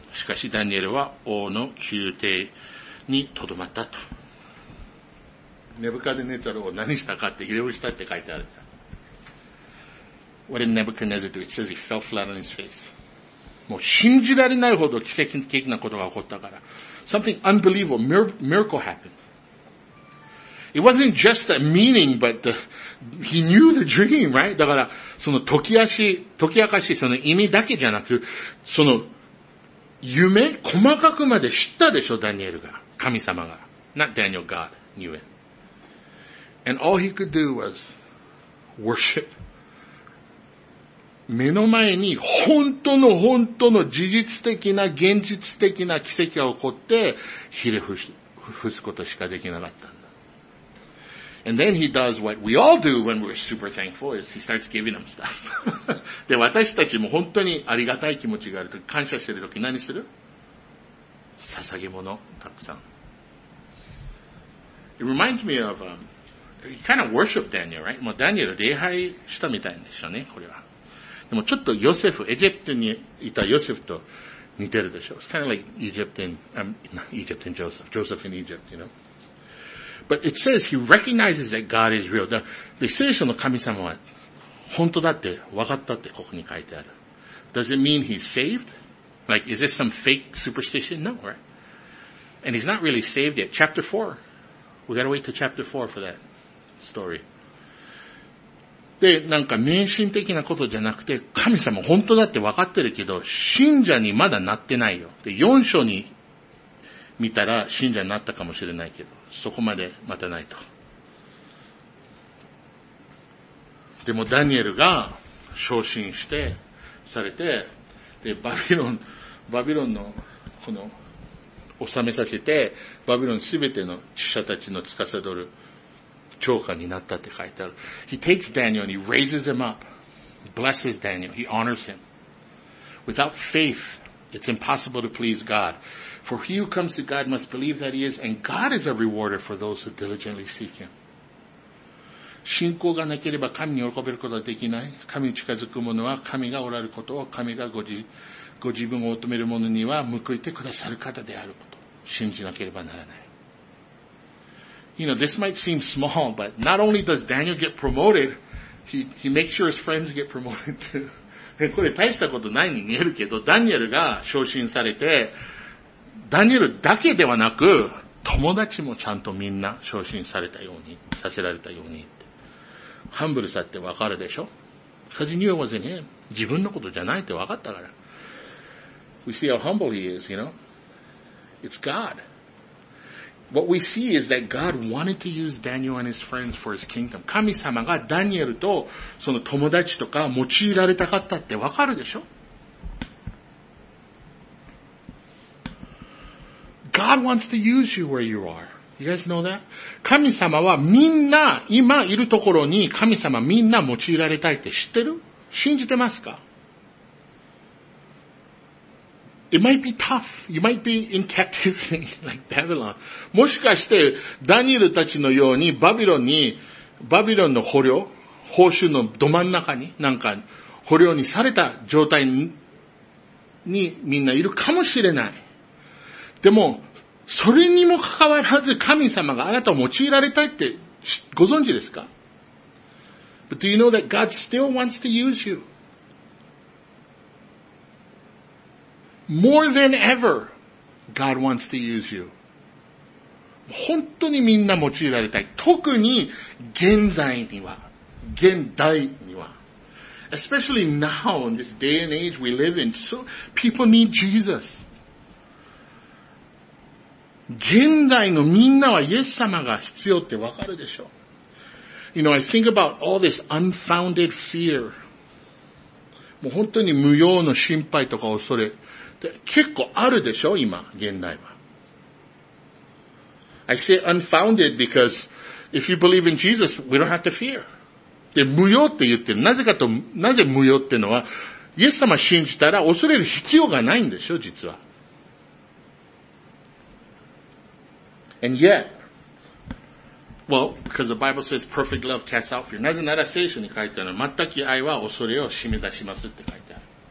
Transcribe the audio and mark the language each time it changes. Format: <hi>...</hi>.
<ja>しかし、ダニエルは王の宮廷にとどまったと。ネブカデネザル王何したかって、ひれ伏したって書いてある。</ja> <en>What did Nebuchadnezzar do? It says he fell flat on his face.</en> <ja>もう信じられないほど奇跡的なことが起こったから。</ja> <en>Something unbelievable, miracle happened. It wasn't just a meaning, but he knew the dream, right?</en> <ja>だから、その解き明かし、その意味だけじゃなく、その夢、細かくまで知ったでしょ、ダニエルが。神様が。</ja> <en>Not Daniel, God knew it. And all he could do was worship.</en> <ja>目の前に本当の事実的な、現実的な奇跡が起こって、ひれ伏すことしかできなかった。</ja> <en>And then he does what we all do when we're super thankful is he starts giving them stuff.</en> <ja>で、私たちも本当にありがたい気持ちがあるとき、感謝してるとき何する? 捧げ物、たくさん。</ja> <en>It reminds me of, he kind of worshiped Daniel, right?</en> <ja>もうダニエル礼拝したみたいでしょうね、これは。でもちょっとヨセフ、エジプトにいたヨセフと似てるでしょ。</ja> <en>It's kind of like Egypt and Joseph. Joseph in Egypt, you know? But it says he recognizes that God is real.</en> <ja>The 聖書の神様は本当だって分かったってここに書いてある。</ja> <en>Does it mean he's saved? Like, is this some fake superstition? No, right? And he's not really saved yet. Chapter 4. We gotta wait till chapter 4 for that story.</en> <ja>で、なんか迷信的なことじゃなくて、神様本当だって分かってるけど、信者にまだなってないよ。で、4章に見たら信者になったかもしれないけど、そこまで待たないと。でもダニエルが昇進してされて、でバビロンのこの治めさせて、バビロンすべての知者たちの司る長官になったって書いてある。</ja> <en>He takes Daniel and he raises him up, blesses Daniel, he honors him. Without faith, it's impossible to please God. For he who comes to God must believe that he is, and God is a rewarder for those who diligently seek him.</en> <ja>信仰がなければ神に喜べることはできない。神に近づく者は神がおられることを、神がご自分を求める者には報いてくださる方であることを信じなければならない。</ja> <en>You know, this might seem small, but not only does Daniel get promoted, he makes sure his friends get promoted too.</en> <ja>これ大したことないに見えるけど、ダニエルが昇進されて、ダニエルだけではなく、友達もちゃんとみんな昇進されたように、させられたように。ハンブルさってわかるでしょ</ja> <en>?Cause he knew it wasn't him.</en> <ja>自分のことじゃないってわかったから。</ja> <en>We see how humble he is, you know? It's God. What we see is that God wanted to use Daniel and his friends for his kingdom.</en> <ja>神様がダニエルとその友達とか用いられたかったってわかるでしょ</ja> <en>?God wants to use you where you are. You guys know that?</en> <ja>神様はみんな今いるところに神様みんな用いられたいって知ってる? 信じてますか?</ja> <en>It might be tough. You might be in captivity like Babylon.</en> <ja>もしかしてダニエルたちのようにバビロンの捕虜、報酬のど真ん中に、なんか捕虜にされた状態 にみんないるかもしれない。でも、それにもかかわらず神様があなたを用いられたいってご存知ですか?</ja> <en>But do you know that God still wants to use you? More than ever, God wants to use you.</en> <ja>本当にみんな用いられたい。特に現在には、現代には。</ja> <en>Especially now, in this day and age we live in, so people need Jesus.</en> <ja>現在のみんなはイエス様が必要ってわかるでしょ。</ja> <en>You know, I think about all this unfounded fear.</en> <ja>もう本当に無用の心配とか恐れ。結構あるでしょ今現代は。</ja> <en>I say unfounded because if you believe in Jesus, we don't have to fear.</en> <ja>で無用って言ってる。なぜかと、なぜ無用ってのは、イエス様信じたら恐れる必要がないんでしょ実は。</ja> <en>And yet, well, because the Bible says perfect love casts out fear.</en> <ja>なぜなら聖書に書いてあるの、全く愛は恐れを締め出しますって書いてある。</ja>